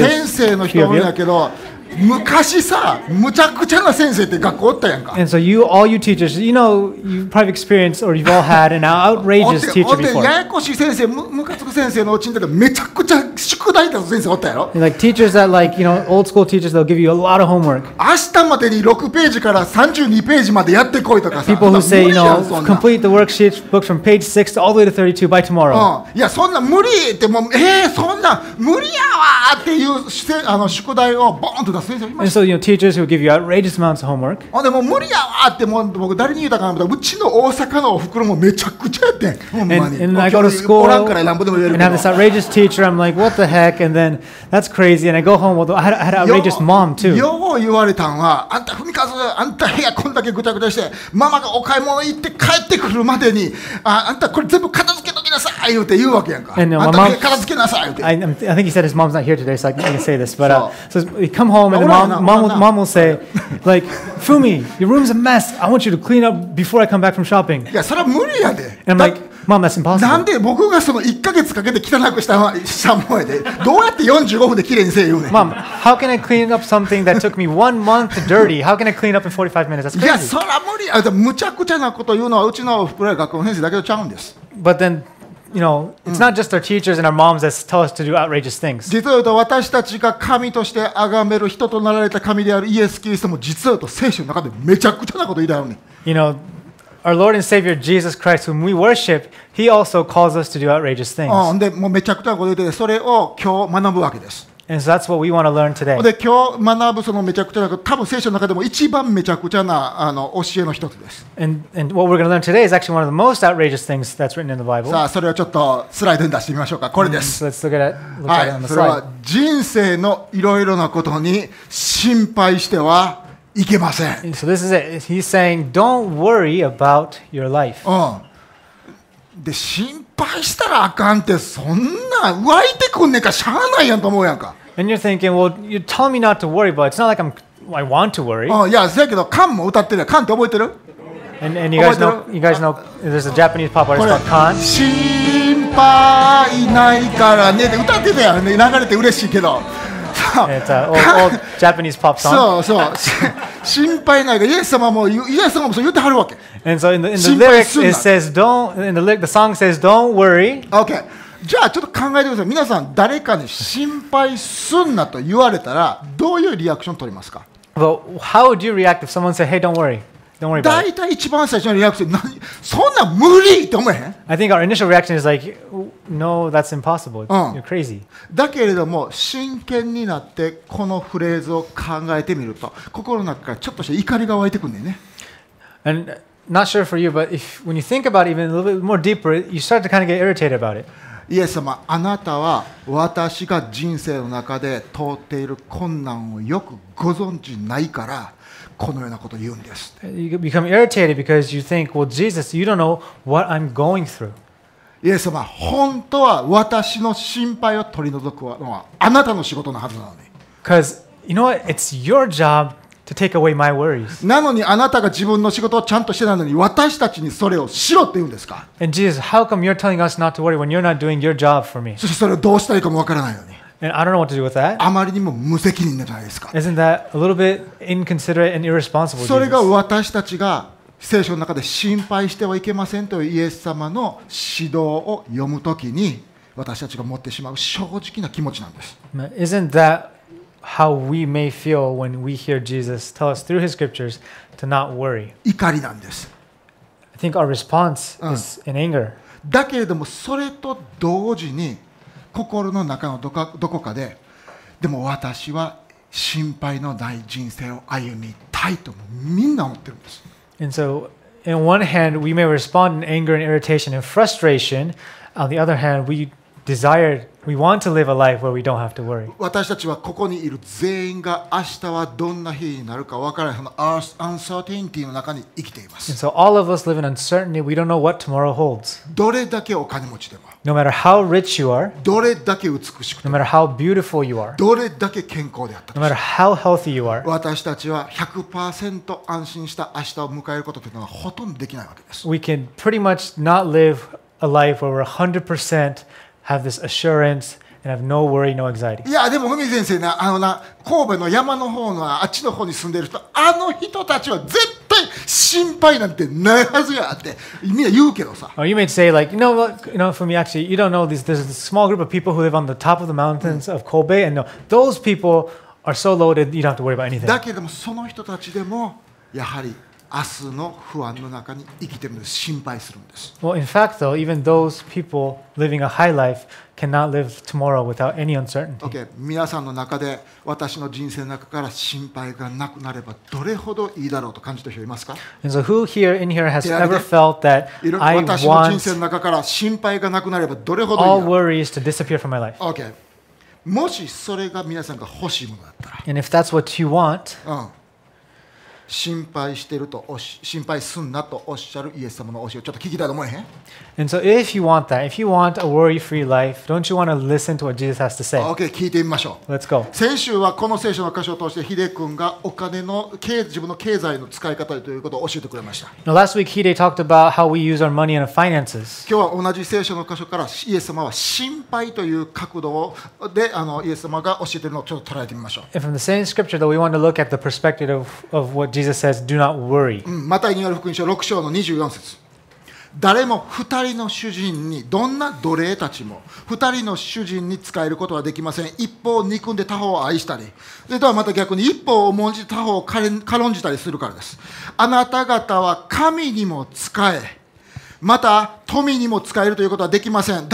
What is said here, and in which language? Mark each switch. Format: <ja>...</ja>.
<ja>先生の人おるんやけど、昔さ、むちゃくちゃな先生って学校おったやんか。</ja> <en>And so you, all you teachers, you know, you probably experienced or you've all had an outrageous teacher before.</en> <ja>ややこしい先生、むかつく先生のうちにめちゃくちゃ宿題出す先生おったやろ。</ja> <en>And like teachers that like, you know, old school teachers, they'll give you a lot of homework.</en> <ja>明日までに6ページから32ページまでやってこいとかさ。</ja> <en>People who say, you know, complete the worksheet book from page 6 to all the way to 32 by tomorrow.</en> <ja>いや、そんな無理って、もう、そんな無理やわっていうあの宿題をボーンと。</ja> <en>And so, you know, teachers who give you outrageous amounts of homework.</en> <ja>あ、でも無理やわって、もう僕誰に言ったかなと思ったら、うちの大阪のおふくろもめちゃくちゃやってん。</ja> <en>And I go to school, and I have this outrageous teacher, I'm like, what the heck? And then, that's crazy, and I go home, with, I had an outrageous mom too.</en> <ja>よう言われたんは、あんた踏み数、あんた部屋こんだけぐちゃぐちゃして、ママがお買い物行って帰ってくるまでに、あんたこれ全部片付けときなさい言うて言うわけやんか。</ja> <en>And,</en> <ja>あんただけ片付けなさい言うて。</ja> <en>I think he said his mom's not here today, so I can say this, but so he come home, and mom will say, like, Fumi, your room's a mess. I want you to clean up before I come back from shopping.</en> <ja>いや、それは無理やで。</ja> <en>And I'm like, mom, that's impossible.</en> <ja>なんで僕がその1ヶ月かけて汚くしたもんやで。どうやって45分で綺麗にせえ言うねん。</ja> <en>Mom, how can I clean up something that took me one month dirty? How can I clean up in 45 minutes? That's crazy.</en> <ja>いや、それは無理や。むちゃくちゃなこと言うのはうちの福来学校の先生だけどちゃうんです。</ja> <en>But then,You know, it's not just our teachers and our moms that tell us to do outrageous things.</en> <ja>実は言うと私たちが神として崇める人となられた神であるイエス・キリストも実は言うと聖書の中でめちゃくちゃなこと言いだよね。</ja> <en>You know, our Lord and Savior Jesus Christ, whom we worship, He also calls us to do outrageous things.</en> <ja>うん、でもうめちゃくちゃなこと言ってそれを今日学ぶわけです。</ja> <en>And so that's what we want to learn today.</en> <ja>で今日学ぶそのめちゃくちゃなこと、多分聖書の中でも一番めちゃくちゃなあの教えの一つです。</ja> <en>And what we're going to learn today is actually one of the most outrageous things that's written in the Bible.</en> <ja>さあそれをちょっとスライドに出してみましょうか。これです。</ja> <en>Mm-hmm. So、let's look at it on the slide.</en> <ja>はい、それは人生のいろいろなことに心配してはいけません。</ja> <en>So this is it. He's saying, don't worry about your life.</en> <ja>うん。で心配したらあかんってそんな湧いてくんねんかしゃあないやんと思うやんか。</ja> <en>And you're thinking, well, you tell me not to worry, but it's not like I want to worry.</en> <ja>いや、せやけど、カンも歌ってるやん。カンって覚えてる？</ja> <en>And you guys know, there's a Japanese pop artist called Kan.</en> <ja>心配ないからねって歌ってたやん、ね、流れて嬉しいけど。</ja> <en>It's an old Japanese pop song.</en> <ja>そうそう。心配ないからイエス様もイエス様もそう言ってはるわけ。</ja> <en>And so in the lyrics it says don't in the lyric the song says don't worry. Okay.</en> <ja>じゃあちょっと考えてください。皆さん誰かに心配すんなと言われたらどういうリアクションを取りますか。</ja> <en>Well, how would you react if someone said, "Hey, don't worry, don't worry about it"?</en> <ja>大体一番最初のリアクション、そんな無理って思えへん。</ja> <en>I think our initial reaction is like, "No, that's impossible. You're crazy."</en> <ja>だけれども真剣になってこのフレーズを考えてみると心の中からちょっとした怒りが湧いてくるんだよね。</ja> <en>And,Not sure for you, but if when you think about it even a little bit more deeper, you start to kind of get irritated about it.</en> <ja>イエス様、あなたは私が人生の中で通っている困難をよくご存知ないからこのようなことを言うんです。</ja> <en>You become irritated because you think, well, Jesus, you don't know what I'm going through.</en> <ja>イエス様、本当は私の心配を取り除くのはあなたの仕事のはずなのに。</ja> <en>Because you know what? It's your job. To take away my worries.</en> <ja>なのにあなたが自分の仕事をちゃんとしてないのに私たちにそれをしろって言うんですか。</ja> <en>And Jesus, how come you're telling us not to worry when you're not doing your job for me?</en> <ja>そしてそれをどうしたらいいかもわからないのに。</ja> <en>And I don't know what to do with that.</en> <ja>あまりにも無責任じゃないですか。</ja> <en>Isn't that a little bit inconsiderate and irresponsible?</en> <ja>それが私たちが聖書の中で心配してはいけませんというイエス様の指導を読むときに私たちが持ってしまう正直な気持ちなんです。</ja> <en>Isn't that How we may feel when we hear Jesus tell us through his scriptures to not worry.</en> <ja>怒りなんです。</ja> <en>I think our response is in anger.</en> <ja>だけれどもそれと同時に心の中のどこかで、でも私は心配のない人生を歩みたいとみんな思ってるんです。</ja> <en>And so, in one hand, we may respond in anger and irritation and frustration. On the other hand, we desire. We want to live a life where we don't have to worry.</en> <ja>私たちはここにいる全員が明日はどんな日になるか分からないの uncertainty の中に生きています。</ja> <en>And so all of us live in uncertainty. We don't know what tomorrow holds.</en> <ja>どれだけお金持ちでも。</ja> <en>No matter how rich you are.</en> <ja>どれだけ美しくても。</ja> <en>No matter how beautiful you are.</en> <ja>どれだけ健康であったとしても。</ja> <en>No matter how healthy you are.</en> <ja>私たちは 100% 安心した明日を迎えることというのはほとんどできないわけです。</ja> <en>We can pretty much not live a life where we're 100% have this assurance and have no worry, no anxiety.</en> <ja>いやでも海先生な、あのな、神戸の山の方のあっちの方に住んでる人、あの人たちは絶対心配なんてないはずやってみんな言うけどさ。</ja> <en>Oh, you may say like, you know what, you know, for me actually, you don't know this. There's a small group of people who live on the top of the mountains of Kobe, and no, those people are so loaded, you don't have to worry about anything.</en> <ja>だけどもその人たちでもやはり明日の不安の中に生きてるんです。心配するんです。</ja> <en>Well, in fact, though, even those people living a high life cannot live tomorrow without any uncertainty.</en> <ja>Okay, 皆さんの中で私の人生の中から心配がなくなればどれほどいいだろうと感じている人いますか？</ja> <en>And so, who here in here has ever felt that I want</en> <ja>私の人生の中から心配がなくなればどれほどいいだろう？</ja> <en>All worries to disappear from my life.</en> <ja>Okay, もしそれが皆さんが欲しいものだったら、</ja> <en>And if that's what you want,</en> <ja>心配してると心配すんなとおっしゃるイエス様の教えをちょっと聞きたいと思えへん。</ja> <en>And so if you want that, if you want a worry-free life, don't you want to listen to what Jesus has to say?</en> <ja>Okay, 聞いてみましょう。</ja> <en>Let's go.</en> <ja>先週はこの聖書の箇所を通してヒデ君がお金の自分の経済の使い方ということを教えてくれました。</ja> <en>Now, last week, Hide talked about how we use our money and our finances.</en> <ja>今日は同じ聖書の箇所からイエス様は心配という角度でイエス様が教えているのをちょっと捉えてみましょう。</ja> <en>And from the same scripture, though, we want to look at the perspective of what JesusSays, do not worry.</en> <ja>マタイによる福音書6章の24節。誰も二人の主人にどんな奴隷たちも二人の主人に仕えることはできません。一方を憎んで他方を愛したり、それとはまた逆に一方を重んじて他方を軽んじたりするからです。あなた方は神にも仕え、また富にも仕えるということはできません。</ja>